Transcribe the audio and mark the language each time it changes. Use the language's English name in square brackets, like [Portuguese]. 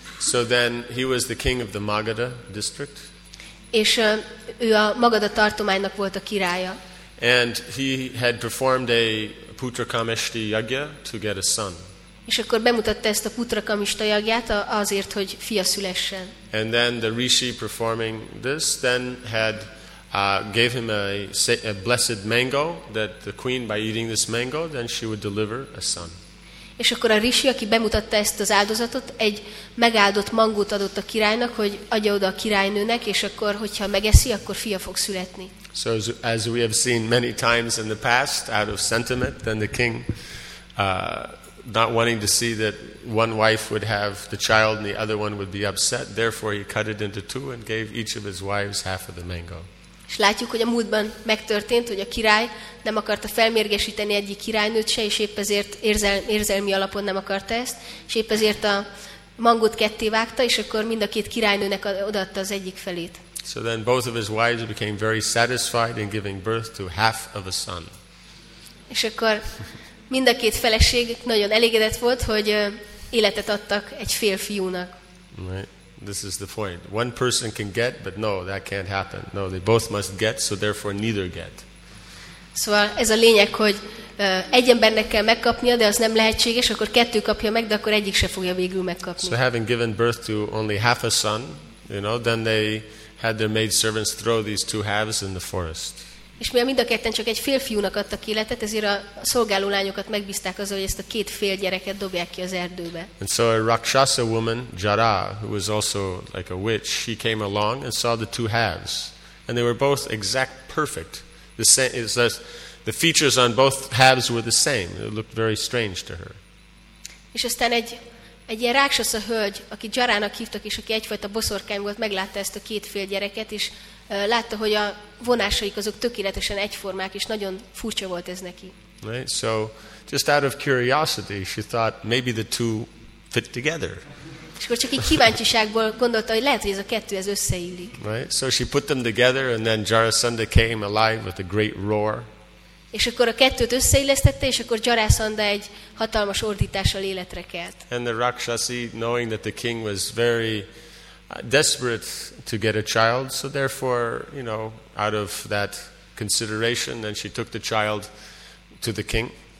[English] So then he was the king of the Magadha district. [Hungarian] És ő a Magadha tartománynak volt a királya. [English] And he had performed a Putrakamishti yagya to get a son. [Hungarian] És akkor bemutatta ezt a Putrakamishta yagyát azért, hogy fia szülessen. [English] And then the rishi performing this then had gave him a blessed mango that the queen by eating this mango then she would deliver a son. [Hungarian] És akkor a rishi, aki bemutatta ezt az áldozatot, egy megáldott mangót adott a királynak, hogy adja oda a királynőnek, és akkor hogyha megeszi, akkor fia fog születni. [English] So as we have seen many times in the past, out of sentiment, then the king not wanting to see that one wife would have the child and the other one would be upset, therefore he cut it into two and gave each of his wives half of the mango. [Hungarian] És látjuk, hogy a múltban megtörtént, hogy a király nem akarta felmérgesíteni egyik királynőt se, és épp ezért érzelmi alapon nem akarta ezt, és épp ezért a mangót ketté vágta, és akkor mind a két királynőnek odaadta az egyik felét. [English] So then both of his wives became very satisfied in giving birth to half of a son. [Hungarian] És akkor mind a két feleség nagyon elégedett volt, hogy életet adtak egy fél fiúnak. [English] Right. This is the point. One person can get, but no, that can't happen. No, they both must get, so therefore neither get. [Hungarian] Szóval ez a lényeg, hogy egy embernek kell megkapnia, de az nem lehetséges, akkor kettő kapja meg, de akkor egyik se fogja végül megkapni. [English] So having given birth to only half a son, you know, then they had their maid servants throw these two halves in the forest. [Hungarian] És mivel mind a ketten csak egy fél fiúnak adtak életet, ezért a szolgáló lányokat megbízták azzal, hogy ezt a két fél gyereket dobják ki az erdőbe. [English] And so a Rakshasa woman, Jara, who was also like a witch, she came along and saw the two halves. And they were both exact perfect. The same, it says, the features on both halves were the same. It looked very strange to her. [Hungarian] És aztán egy ilyen rákshasa hölgy, aki Jarának hívtak, és aki egyfajta boszorkány volt, meglátta ezt a két fél gyereket, és látta, hogy a vonásaik azok tökéletesen egyformák, és nagyon furcsa volt ez neki. [English] Right, so just out of curiosity, she thought maybe the two fit together. [Hungarian] És akkor csak így kíváncsiságból gondolta, hogy lehet, hogy ez a kettő ez összeillik. [English] Right, so she put them together, and then Jarasandha came alive with a great roar. [Hungarian] És akkor a kettőt összeillesztette, és akkor Jarasandha egy hatalmas ordítással életre kelt. [English] And the Rakshasi, knowing that the king was very desperate to get a child, so therefore, you know, out of that consideration, then she took the child to the king.